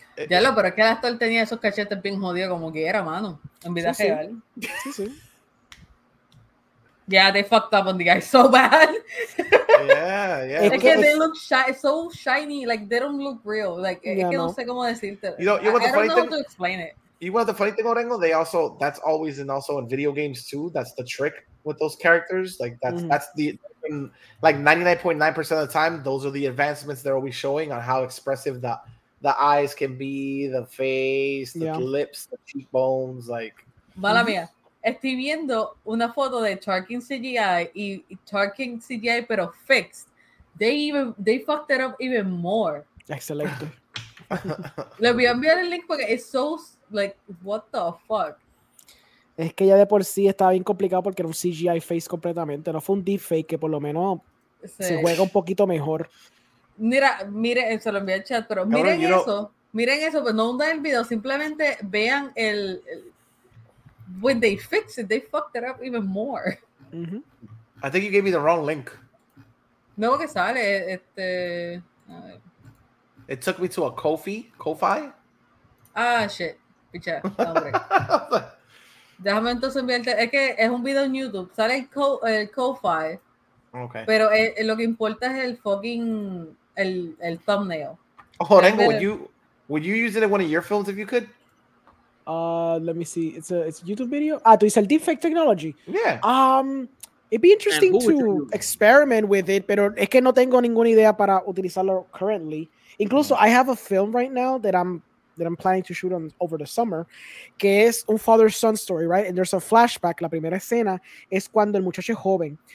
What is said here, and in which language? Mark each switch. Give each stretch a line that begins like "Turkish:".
Spanish: Ya lo, pero es que el actor tenía esos cachetes bien jodidos como que era, mano. En vida real. Sí.
English: Yeah, they fucked up on the guy so bad. Yeah.
Spanish: Es que
English: they look shy, so shiny, like they don't look real.
Spanish: Like, es que no sé cómo decirte.
English: I don't know how to explain it. You know the funny thing, Orengo? They also, that's always and also in video games too. That's the trick with those characters. Like, that's the, like 99.9% of the time, those are the advancements they're always showing on how expressive the eyes can be, the face, the lips, the cheekbones. Like,
Spanish: mala mía, estoy viendo una foto de Tarkin CGI y Tarkin CGI, pero fixed.
English: They fucked it up even more. Excellent.
Spanish: Le voy a enviar el link porque
English: it's so. Like, what the fuck?
Spanish: Es que ya de por sí estaba bien complicado porque era un CGI face completamente. No fue un deep fake que por lo menos se juega un poquito mejor. Mira, miren, se lo envié al chat, pero miren eso. Miren eso, pero no hundan el video. Simplemente vean el...
English: When they fix it, they fucked it up even more. Mm-hmm. I think you gave me the wrong link.
Spanish: No, que sale. A ver.
English: It took me to a Ko-fi. Ah, shit.
Spanish: Picha. No, déjame entonces enviarte. Es que es un video en YouTube. Sale el Ko-fi.
English: Okay.
Spanish: Pero lo que importa es el fucking el thumbnail.
English: Oh, Orengo, would you use it in one of your films if you could? Let me see. It's a YouTube video.
Spanish: Ah, tú dices el
English: deepfake technology. Yeah. It'd be interesting to experiment with it,
Spanish: pero es que no tengo ninguna idea para utilizarlo currently. Incluso
English: I have a film right now that I'm planning to shoot on over the summer,
Spanish: que es un
English: father-son story, right? And there's a flashback.
Spanish: La primera escena es cuando el muchacho es joven.